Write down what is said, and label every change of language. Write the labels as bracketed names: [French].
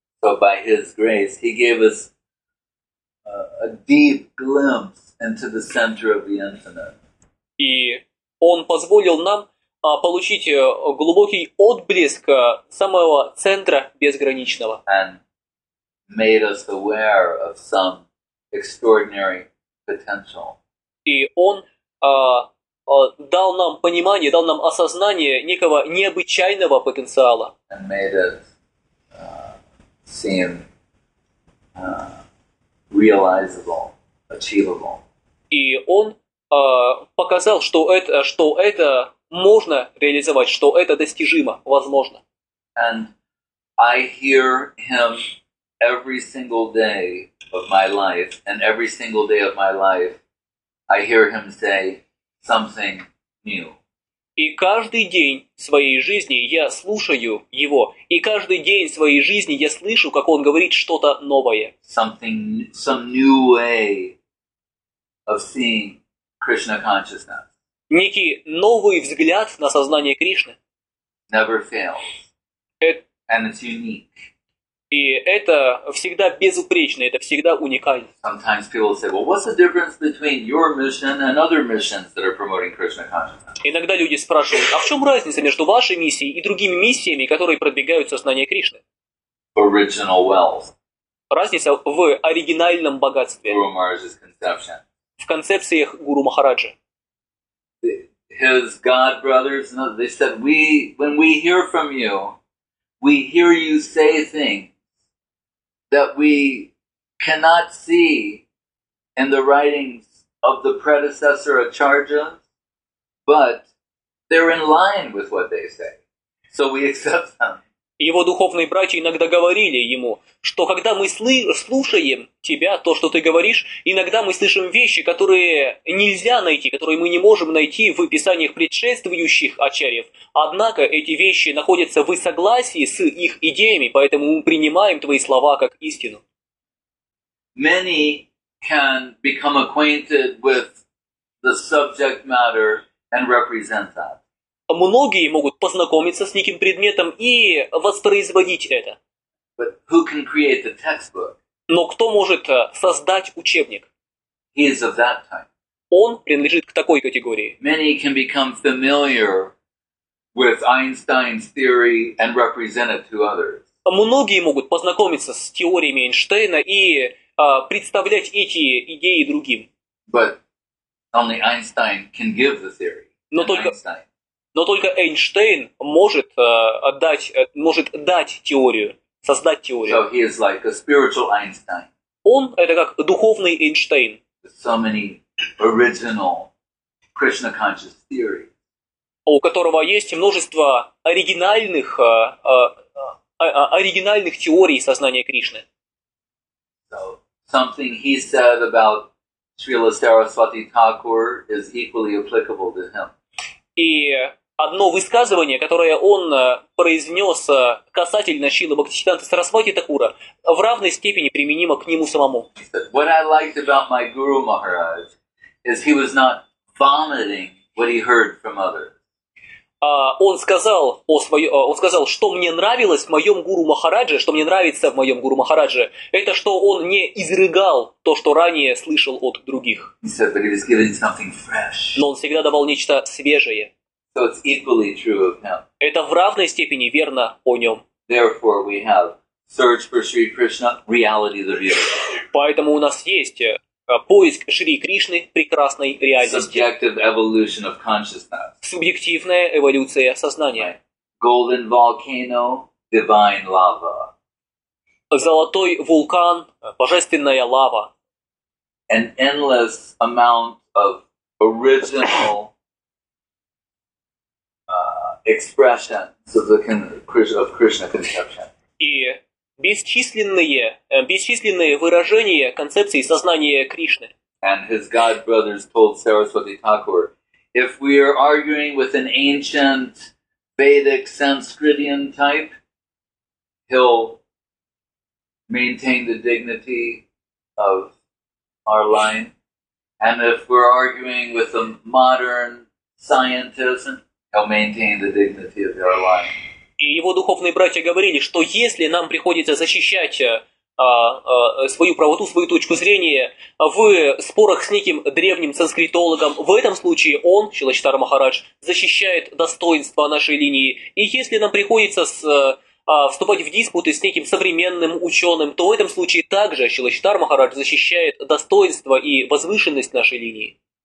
[English] So by his grace, he gave us a deep glimpse into the center of the infinite. [Russian] И он позволил нам получить глубокий отблеск самого центра безграничного. [English] And made us aware of some extraordinary potential. [Russian] И он дал нам понимание, дал нам осознание некого необычайного потенциала. [English] And made it seem realizable, achievable. [Russian] И он показал, что это можно реализовать, что это достижимо, возможно. [English] And I hear him every single day of my life, and every single day of my life I hear him say something new. [Russian] И каждый день своей жизни я слушаю его, и каждый день своей жизни я слышу, как он говорит что-то новое. [English] Something, some new way of seeing Krishna consciousness. [Russian] Некий новый взгляд на сознание Кришны. [English] Never fails. And it's unique. [Russian] И это всегда безупречно, это всегда уникально. [English] Sometimes people say, well, what's the difference between your mission and other missions that are promoting Krishna consciousness? [Russian] Иногда люди спрашивают, а в чем разница между вашей миссией и другими миссиями, которые продвигают сознание Кришны? [English] Original wealth. [Russian] Разница в оригинальном богатстве. [English] Guru Maharaj's conception. [Russian] В концепциях Гуру Махараджи. [English] His God brothers, they said, when we hear from you, we hear you say things that we cannot see in the writings of the predecessor acharyas, but they're in line with what they say. So we accept them. [Russian] Его духовные братья иногда говорили ему, что когда мы слушаем тебя, то, что ты говоришь, иногда мы слышим вещи, которые нельзя найти, которые мы не можем найти в писаниях предшествующих ачарьев. Однако эти вещи находятся в согласии с их идеями, поэтому мы принимаем твои слова как истину. [English] Many can become acquainted with the subject matter and represent that. [Russian] Многие могут познакомиться с неким предметом и воспроизводить это. [English] But who can create the textbook? [Russian] Но кто может создать учебник? [English] He is of that type. [Russian] Он принадлежит к такой категории. [English] Many can become familiar with Einstein's theory and represent it to others. [Russian] Многие могут познакомиться с теориями Эйнштейна и представлять эти идеи другим. [English] But only Einstein can give the theory. [Russian] Но только Эйнштейн может дать теорию, создать теорию. [English] So he is like a spiritual Einstein. [Russian] Он это как духовный Эйнштейн. [English] With so many original Krishna conscious theory. [Russian] У которого есть множество оригинальных оригинальных теорий сознания Кришны. [English] So something he said about Srila Saraswati Thakur is equally applicable to him. [Russian] И одно высказывание, которое он произнес касательно Шрилы Бхактисиддханты Сарасвати Такура, в равной степени применимо к нему самому. [English] What I liked about my Guru Maharaj is he was not vomiting what he heard from others. [Russian] Он сказал, что мне нравилось в моем Гуру Махарадже, что мне нравится в моем Гуру Махарадже, это что он не изрыгал то, что ранее слышал от других. [English] He said, but he was giving something fresh. [Russian] Но он всегда давал нечто свежее. [English] So it's equally true of him. [Russian] Это в равной степени верно о нем. [English] Therefore, we have search for Sri Krishna, reality the real. [Russian] Поэтому у нас есть поиск Шри Кришны, прекрасной реальности. [English] Subjective evolution of consciousness. [Russian] Субъективная эволюция сознания. [English] Golden volcano, divine lava. [Russian] Золотой вулкан, божественная лава. [English] An endless amount of original expressions of Krishna conception. [Russian] И бесчисленные выражения концепции сознания Кришны. [English] And his God brothers told Saraswati Thakur, if we are arguing with an ancient Vedic Sanskritian type, he'll maintain the dignity of our line. And if we're arguing with a modern scientist, he'll maintain the dignity of our line. [Russian] И его духовные братья говорили, что если нам приходится защищать свою правоту, свою точку зрения в спорах с неким древним санскритологом, в этом случае он, Шиласитара Махарадж, защищает достоинство нашей линии. И если нам приходится вступать в диспуты с неким современным ученым, то в этом случае также Шиласитара Махарадж защищает достоинство и возвышенность нашей линии.